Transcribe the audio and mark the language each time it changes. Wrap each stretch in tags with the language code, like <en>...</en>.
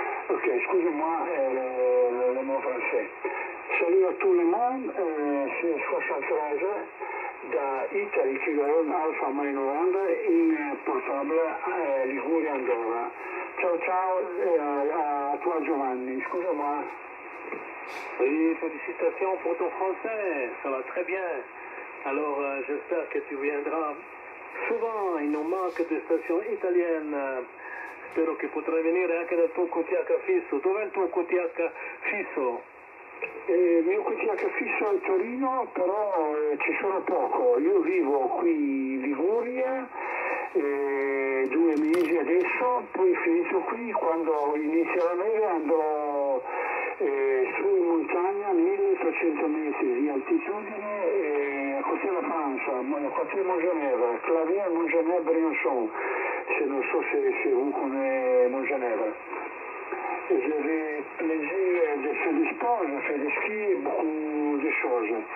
<fr>Ok, excusez-moi le mot français. Salut à tout le monde, c'est 73 d'Italie qui donne Alpha Mike November in portable Liguria Andorra. Ciao à toi Giovanni, excusez-moi. Oui, félicitations pour ton français, ça va très bien. Alors j'espère que tu viendras souvent, il nous manque des stations italiennes.</fr> <it>Spero che potrai venire anche dal tuo QTH fisso. Dov'è il tuo QTH fisso? Il mio QTH fisso è a Torino, però ci sono poco. Io vivo qui in Liguria, due mesi adesso, poi finisco qui. Quando inizia la neve andrò su in montagna, 1800 metri di altitudine, a Côte de France, a Côte de Montgenèvre, Clavier, Montgenèvre, Briançon. Se non so se</it> <fr>vous connaissez</fr> <it>Montgenèvre.</it> <fr>Et j'avais plaisir de faire du sport, de faire du ski et beaucoup de choses.</fr>